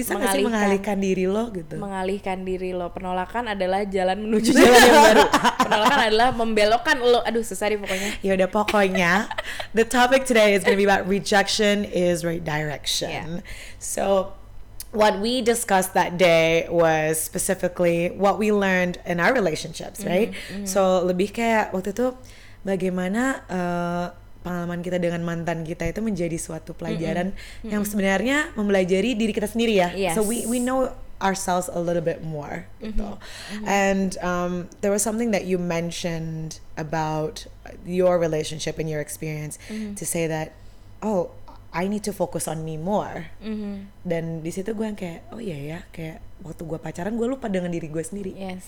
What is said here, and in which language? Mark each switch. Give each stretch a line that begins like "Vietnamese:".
Indonesian: Mengalihkan diri lo gitu. Mengalihkan diri lo. Penolakan adalah jalan menuju jalan yang baru. Penolakan adalah membelokkan lo. Aduh, susah nih pokoknya. Ya udah pokoknya
English: the topic today is going to be about rejection is redirection. So what we discussed that day was specifically what we learned in our relationships, right?
Indonesian: So lebih kayak waktu itu bagaimana pengalaman kita dengan mantan kita itu menjadi suatu pelajaran yang sebenarnya mempelajari diri kita sendiri ya.
English: So we know ourselves a little bit more. And there was something that you mentioned about your relationship and your experience to say that oh, I need to focus on me more.
Indonesian: Dan di situ gue kayak oh iya ya, kayak waktu gue pacaran gue lupa dengan diri gue sendiri.